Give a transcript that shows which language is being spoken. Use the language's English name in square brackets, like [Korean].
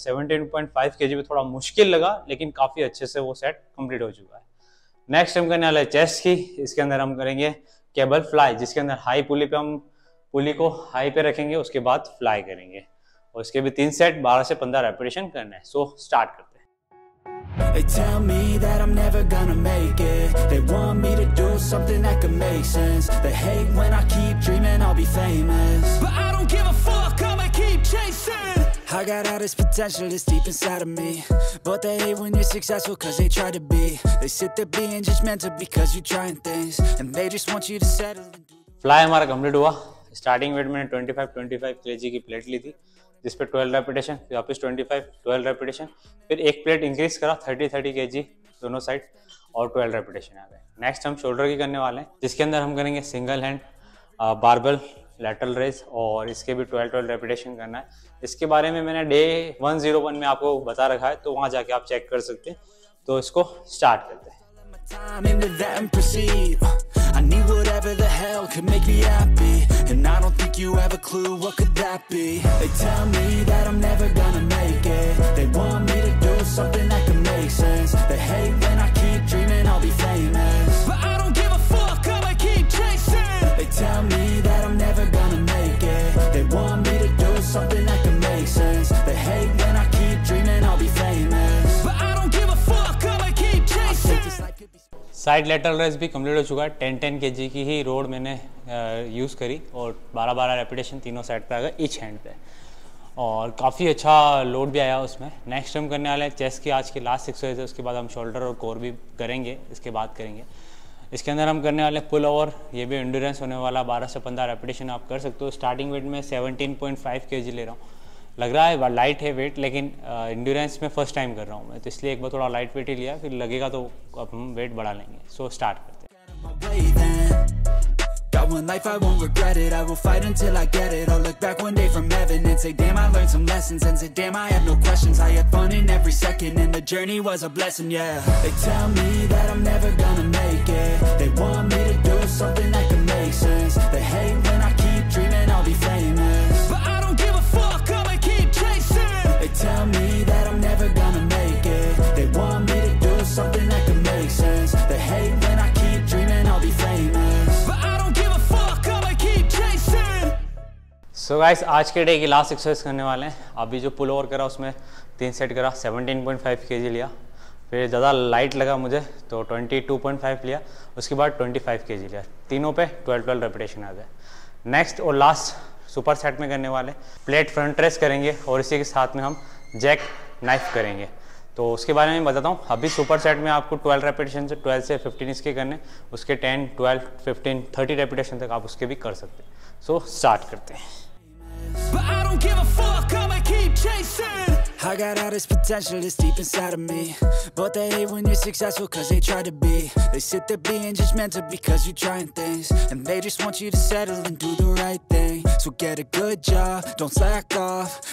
[Hindi] 17.5 kg भी थोड़ा मुश्किल लगा, लेकिन काफ़ी अच्छे से वो सेट कंप्लीट हो चुका है। नेक्स्ट हम करने वाले चेस्ट की, इसके अंदर हम करेंगे केबल फ्लाई, जिसके अंदर हाई पुली पे हम पुली को हाई पे रखेंगे, उसके बाद फ्लाई करेंगे, और इसके भी 3 सेट 12 से 15 रेपिटेशन करना है। सो स्टार्ट करते हैं। [English] They tell me that I'm never gonna make it. They want me to do something that could make sense. They hate when I keep dreaming I'll be famous. But I don't give a fuck, I'ma keep chasing. I got all this potential that's deep inside of me. But they hate when you're successful cause they try to be. They sit there being judgmental because you're trying things. And they just want you to settle. [Hindi] Fly हमारा complete हुआ। Starting weight मैंने 25 kg की plate ली थी, जिस पर 12 repetition, फिर वापस 12 repetition, फिर एक प्लेट इंक्रीज करा 30 kg दोनों साइड और 12 रेपिटेशन आ गए। नेक्स्ट हम शोल्डर की करने वाले हैं, जिसके अंदर हम करेंगे single hand barbell lateral raise, और इसके भी 12 रेपिटेशन करना है। इसके बारे में मैंने डे 101 में आपको बता रखा है, तो वहाँ जाके आप चेक कर सकते हैं। तो इसको स्टार्ट करते हैं। [English] Time into that and proceed. I need whatever the hell could make me happy. And I don't think you have a clue what could that be. They tell me that I'm never gonna make it. They want me to do something that could make sense. They hate when I keep dreaming I'll be famous. But I don't give a fuck, I'ma keep chasing. They tell me that I'm never gonna make it. They want me to do something that could make sense. They hate when I keep dreaming I'll be famous. But I don't give a fuck, I'ma keep chasing. [Hindi] Side lateral race भी complete हो चुका है। 10 kg की ही road मैंने use करी और 12 repetition तीनों side पे आ गए इच हैंड पे, और काफ़ी अच्छा लोड भी आया उसमें। नेक्स्ट हम करने वाले हैं चेस्ट की आज की लास्ट एक्सरसाइज है, उसके बाद हम शोल्डर और कोर भी करेंगे, इसके बाद करेंगे। इसके अंदर हम करने वाले पुल ओवर, ये भी एंड्योरेंस होने वाला, 12 से 15 रेपिटेशन आप कर सकते हो। स्टार्टिंग वेट में 17.5 kg ले रहा हूँ, लग रहा है लाइट है वेट, लेकिन इंड्योरेंस में फर्स्ट टाइम कर रहा हूँ मैं, तो इसलिए एक बार थोड़ा लाइट वेट ही लिया, फिर लगेगा तो अब हम वेट बढ़ा लेंगे। सो स्टार्ट करते हैं। [English] Got one life, I won't regret it. I will fight until I get it. I'll look back one day from heaven and say, damn, I learned some lessons. And say, damn, I had no questions. I had fun in every second and the journey was a blessing, yeah. They tell me that I'm never gonna make it. They want me to do something that can make sense. They hate when I keep dreaming I'll be famous. But I don't give a fuck, I'ma keep chasing. They tell me that I'm never gonna make it. They want me to do something that can make sense. They hate when I keep dreaming I'll be famous. But I don't give a fuck, I'ma keep chasing. [Hindi] So guys, आज के day की last exercise करने वाले हैं। अभी जो pull over करा उसमें 3 सेट करा, 17.5 kg लिया, फिर ज़्यादा लाइट लगा मुझे तो 22.5 लिया, उसके बाद 25 kg लिया, तीनों पे 12 रेपिटेशन आ गए। नेक्स्ट और लास्ट सुपर सेट में करने वाले प्लेट फ्रंट रेस करेंगे, और इसी के साथ में हम जैक नाइफ करेंगे, तो उसके बारे में बताता हूँ। अभी सुपर सेट में आपको 12 रेपिटेशन से 12 से 15 इसके करने, उसके 10 12 15 30 रेपिटेशन तक आप उसके भी कर सकते हैं। सो स्टार्ट करते हैं। [English] But I don't give a fuck, I'ma keep chasing. I got all this potential that's deep inside of me. But they hate when you're successful cause they try to be. They sit there being judgmental because you're trying things. And they just want you to settle and do the right thing. So get a good job, don't slack off.